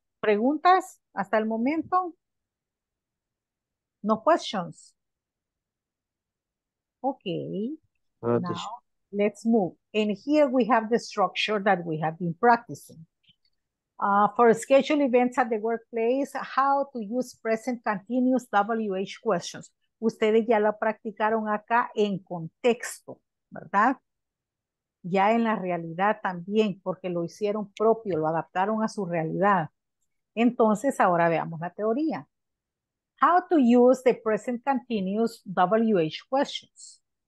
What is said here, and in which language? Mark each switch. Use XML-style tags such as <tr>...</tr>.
<es>¿Preguntas hasta el momento?</es> <en>No questions. Okay. Now, let's move. And here we have the structure that we have been practicing. For schedule events at the workplace, how to use present continuous WH questions.</en> <es>Ustedes ya la practicaron acá en contexto, ¿verdad? Ya en la realidad también, porque lo hicieron propio, lo adaptaron a su realidad. Entonces, ahora veamos la teoría.</es> <en>How to use the present continuous WH questions.</en>